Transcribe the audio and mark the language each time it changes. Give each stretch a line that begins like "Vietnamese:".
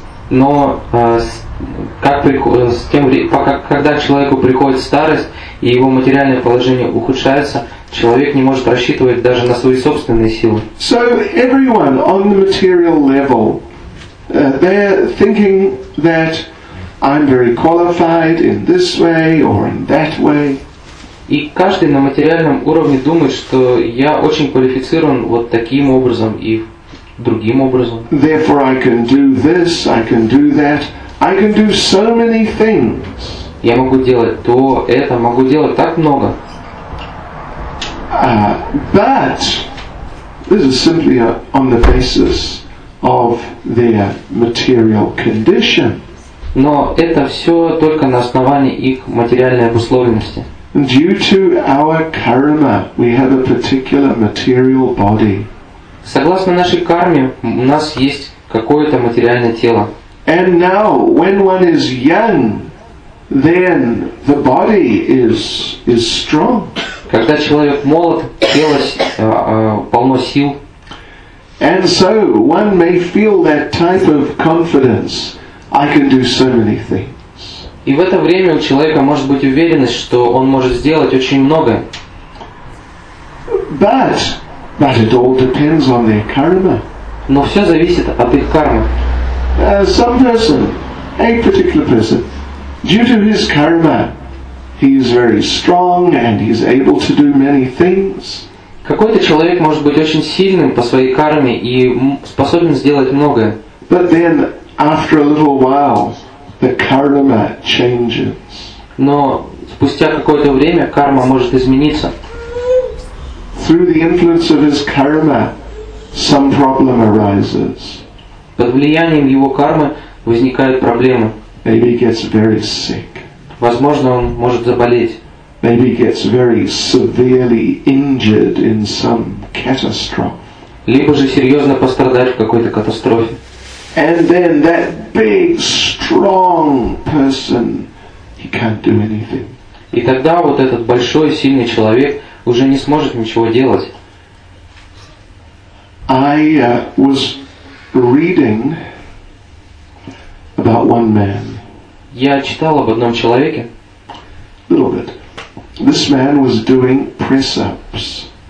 Russian: Но когда человеку приходит старость, и его материальное положение ухудшается, Человек не может рассчитывать даже на свои собственные силы.
English: So everyone on the material level, they're thinking that I'm very qualified in this way or in that way.
Russian: И каждый на материальном уровне думает, что я очень квалифицирован вот таким образом и другим образом.
English: Therefore I can do this, I can do that. I can do so many things.
Russian: Я могу делать то, это, могу делать так много.
English: But this is simply on the basis of their material condition.
Russian: Но это все только на основании их материальной обусловленности.
English: Due to our karma, we have a particular material body.
Russian: Согласно нашей карме, у нас есть какое-то материальное тело.
English: And now, when one is young, then the body is strong.
Russian: Когда человек молод, тело полно сил.
English: And so one may feel that type of confidence. I can do so many things.
Russian: И в это время у человека может быть уверенность, что он может сделать очень многое.
English: But it all depends on their karma.
Russian: Но все зависит от их кармы.
English: Some person, a particular person, due to his karma, he is very strong and he is able to do many things.
Russian: Какой-то человек может быть очень сильным по своей карме и способен сделать многое.
English: But then, after a little while, the karma changes.
Russian: Но спустя какое-то время карма может измениться.
English: Through the influence of his karma, some problem arises.
Russian: Под влиянием его кармы возникают проблемы.
English: Maybe he gets very sick.
Russian: Возможно, он может заболеть.
English: Maybe he gets very severely injured in some catastrophe.
Russian: Либо же серьезно пострадает в какой-то катастрофе.
English: And then that big, strong person, he can't do anything.
Russian: И тогда вот этот большой, сильный человек уже не сможет ничего делать.
English: I was reading about one man.
Russian: Я читал об одном человеке.
English: A little bit. This man was doing press-ups.